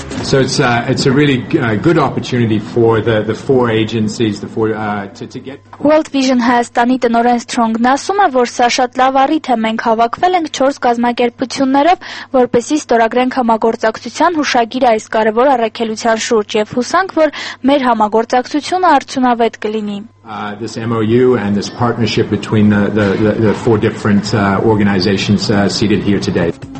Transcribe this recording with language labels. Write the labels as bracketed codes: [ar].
[en] So it's a really good opportunity for the four agencies the four to get [hy] World Vision Հայաստանի տնօրեն Strong-ն ասում է, որ սա շատ լավ առիթ է, մենք հավաքվել ենք 4 կազմակերպություններով, որպեսզի ստորագրենք համագործակցության հուշագիրը այս կարևոր առաքելության շուրջ եւ հուսանք, որ մեր համագործակցությունը արդյունավետ կլինի։ [en] This MOU and this partnership between the four different organizations seated here today.